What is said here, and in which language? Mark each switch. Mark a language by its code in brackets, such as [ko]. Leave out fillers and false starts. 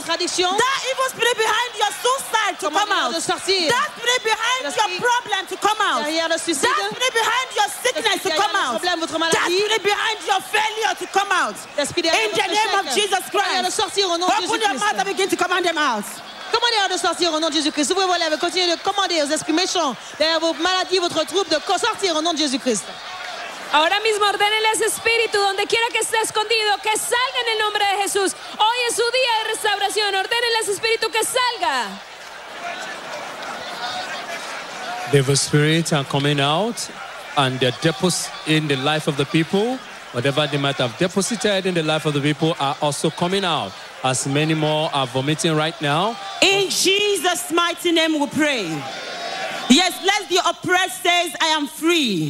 [en] That evil spirit behind your suicide to come out. That spirit behind your problem to come out. That spirit behind your sickness to come out. That spirit behind your failure to come out. In the name of Jesus Christ. Open your mouth and begin to command them out. [fr] Commandez de sortir au nom de Jésus-Christ. Si vous voulez, continuez de commander aux esprits méchants derrière vos maladies, votre trouble, de sortir au nom de Jésus-Christ. [es] Ahora mismo ordenen ese espíritu donde quiera que esté escondido, que salga en el nombre de Jesús. Hoy es su día de restauración. Ordenen ese espíritu que salga. [en] The spirits are coming out and they're deposited in the life of the people. Whatever they might have deposited in the life of the people are also coming out, as many more are vomiting right now. In Jesus' mighty name we pray. Yes, let the oppressed says, I am free.